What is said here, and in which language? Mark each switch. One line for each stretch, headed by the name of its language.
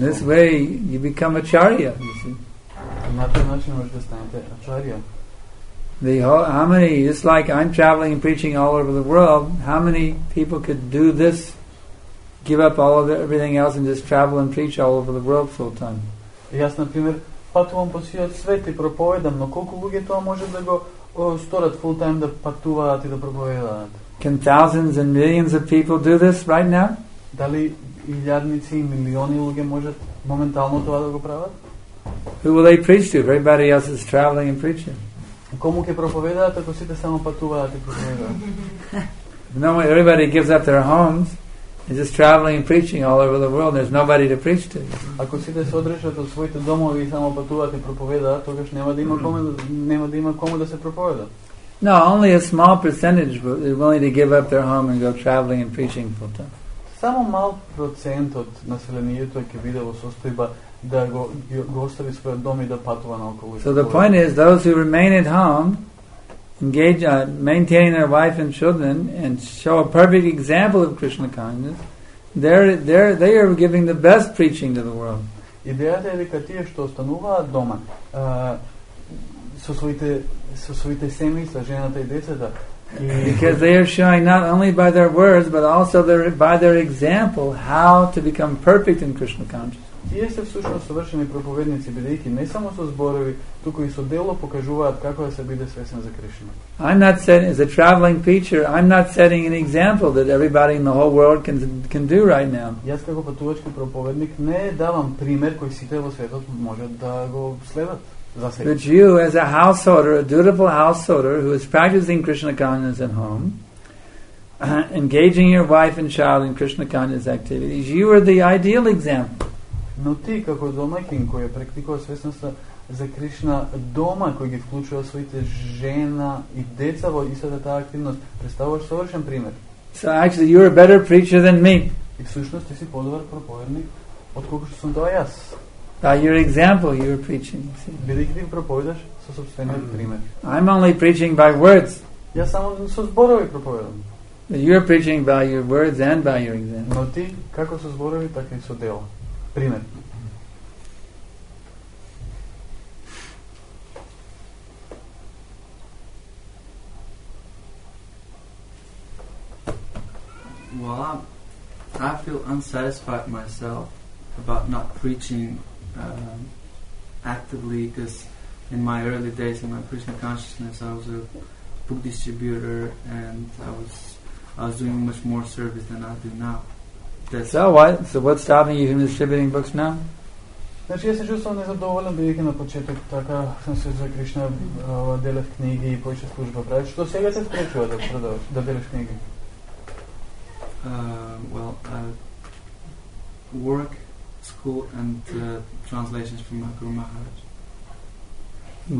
English: In this way, you become a charya.
Macedonian: На тој начин може да станете ачарја.
English: The whole, how many, just like I'm traveling and preaching all over the world, how many people could do this, give up all of the, everything else and just travel and preach all over the world full time?
Macedonian: Јас, например, патувам по сиот свет и проповедам, но колку луѓе тоа може да го сторат
English: full time,
Macedonian: да патуваат и да проповедаат?
English: Can thousands and millions of people do this right now?
Macedonian: Дали илјадници и милиони луѓе можат моментално тоа да го прават?
English: Who will they preach to? Everybody else is traveling and preaching.
Macedonian: Кому ќе проповедаат ако сите само патуваат и проповедаат?
English: No, everybody gives up their homes and just traveling and preaching all over the world. There's nobody to preach to.
Macedonian: Ако сите се одрешат од своите домови и само патуваат и проповедаат, тогаш нема да има кому да се проповеда.
English: No, only a small percentage is willing to give up their home and go traveling and preaching full time.
Macedonian: Само мал процент од населението ќе биде во состојба да го остави својот дом и да патува наоколу.
English: So the point is, those who remain at home, engage in maintaining their wife and children, and show a perfect example of Krishna consciousness, they are giving the best preaching to the world.
Macedonian: Идејата е дека тие што остануваат дома, со своите семејства, жената и децата,
English: because they are showing not only by their words, but also by their example how to become perfect in Krishna consciousness.
Macedonian: Тие се всушност совршени проповедници, бидејќи не само со зборови, туку и со дело покажуваат како да се биде свесен за Кришна.
English: I'm not setting, as a traveling preacher, I'm not setting an example that everybody in the whole world can do right now.
Macedonian: Јас како патувачки проповедник не давам пример кој сите во светот можат да го следат.
English: But you, as a householder, a dutiful householder who is practicing Krishna consciousness at home, engaging your wife and child in Krishna consciousness activities, you are the ideal example.
Macedonian: Но ти како домакин кој е практикува свесноста за Кришна дома, кој ги вклучува своите жена и деца во истата таа активност, представуваш совршен пример.
English: So actually, you are a better preacher than me.
Macedonian: И всушност ти си подобар проповедник отколку што сум тоа јас.
English: By your example, you are preaching.
Macedonian: Бидејќи ти проповедаш со собствениот пример.
English: I'm only preaching by words.
Macedonian: Јас само со зборови проповедам.
English: You are preaching by your words and by your example.
Macedonian: Но ти како со зборови, така и со дело. Пример.
English: Well, I feel unsatisfied myself about not preaching actively, because in my early days in my Krishna consciousness, I was a book distributor, and I was doing much more service than I do now. That's so what? So what's stopping you from distributing books now?
Macedonian: Значи, јас се чувствувам незадоволен бидејќи на почеток така сам се за Кришна делев книги и почнав служба прави. Што сега те спречува да продаваш, да делиш книги?
English: Well, work, school and translations from Guru Maharaj.